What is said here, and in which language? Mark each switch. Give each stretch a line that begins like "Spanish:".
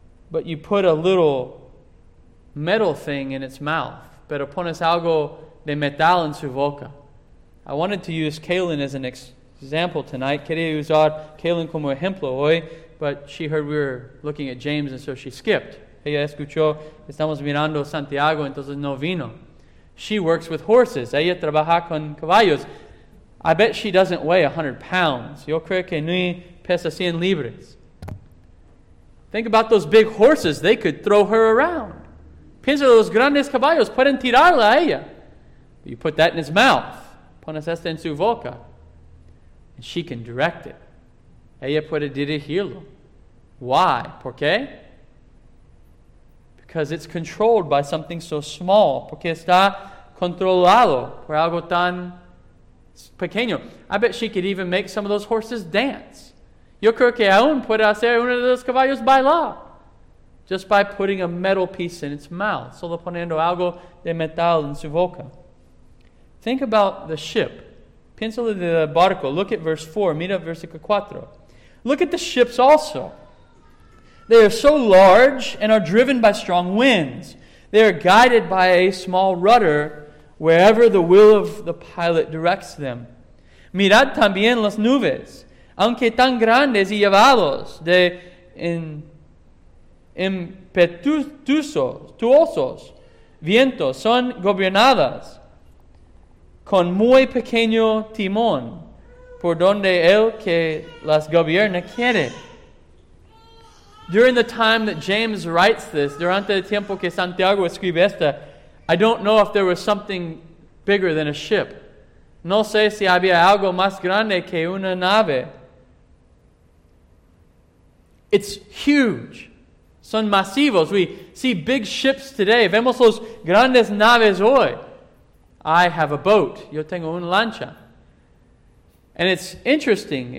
English: But you put a little metal thing in its mouth.
Spanish: Pero pones algo de metal en su boca.
English: I wanted to use Kaylin as an example tonight.
Spanish: Quería usar Kaylin como ejemplo hoy,
English: but she heard we were looking at James, and so she skipped.
Spanish: Ella escuchó, estamos mirando Santiago, entonces no vino.
English: She works with horses.
Spanish: Ella trabaja con caballos.
English: I bet she doesn't weigh 100 pounds.
Spanish: Yo creo que ni pesa 100 libras.
English: Think about those big horses. They could throw her around.
Spanish: Piensa los grandes caballos. Pueden tirarla a ella.
English: But you put that in his mouth.
Spanish: Pones esta en su boca.
English: And she can direct it.
Spanish: ella puede dirigirlo.
English: Why?
Spanish: ¿Por qué?
English: Because it's controlled by something so small.
Spanish: Porque está controlado por algo tan pequeño.
English: I bet she could even make some of those horses dance.
Spanish: Yo creo que aún puede hacer uno de los caballos bailar.
English: Just by putting a metal piece in its mouth.
Spanish: Solo poniendo algo de metal en su boca.
English: Think about the ship.
Spanish: Piensa en el barco.
English: Look at verse 4.
Spanish: Mira versículo 4.
English: Look at the ships also. They are so large and are driven by strong winds. They are guided by a small rudder wherever the will of the pilot directs them.
Spanish: Mirad también las nubes, aunque tan grandes y llevados de impetuosos vientos, son gobernadas con muy pequeño timón, por donde el que las gobierna quiere.
English: During the time that James writes this,
Spanish: durante el tiempo que Santiago escribe esta,
English: I don't know if there was something bigger than a ship.
Spanish: No sé si había algo más grande que una nave.
English: It's huge.
Spanish: Son masivos.
English: We see big ships today.
Spanish: Vemos los grandes naves hoy.
English: I have a boat.
Spanish: Yo tengo una lancha.
English: And it's interesting.